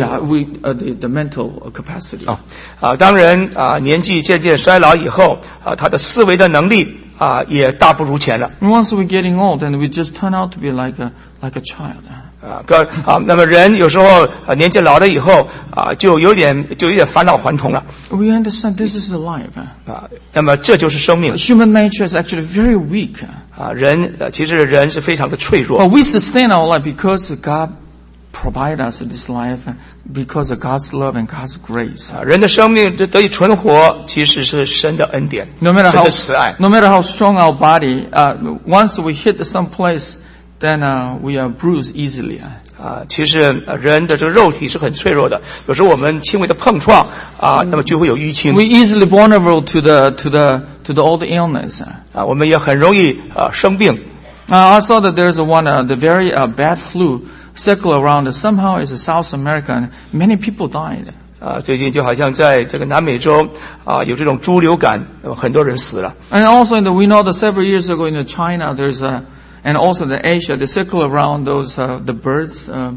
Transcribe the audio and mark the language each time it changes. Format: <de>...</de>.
<en>Yeah, the mental capacity.</en> <zh>当人年纪渐渐衰老以后，他的思维的能力也大不如前了。</zh> <en>Once we're getting old, and we just turn out to be like a child.</en> <zh>那么人有时候年纪老了以后就有点返老还童了。</zh> <en>We understand this is life.</en> <zh>那么这就是生命。</zh> <en>Human nature is actually very weak.</en> <zh>人其实人是非常的脆弱。</zh> <en>But we sustain our life because God. Provide us this life because of God's love and God's grace.</en> <zh>人的生命得以存活，其实是神的恩典，神的慈爱。</zh> <en>No matter how strong our body, once we hit some place, then we are bruised easily.</en> <zh>其实人的这个肉体是很脆弱的，有时候我们轻微的碰撞那么就会有淤青。</zh> <en>We easily vulnerable to the old illness.</en> <zh>我们也很容易生病。</zh> <en>I saw that there's one the very bad flu. Circle around somehow is South America, and many people died.</en> <zh>最近就好像在这个南美洲有这种猪流感，很多人死了。</zh> <en>And also, we know that several years ago in China, there's a, and also in Asia, they circle around those the birds.</en>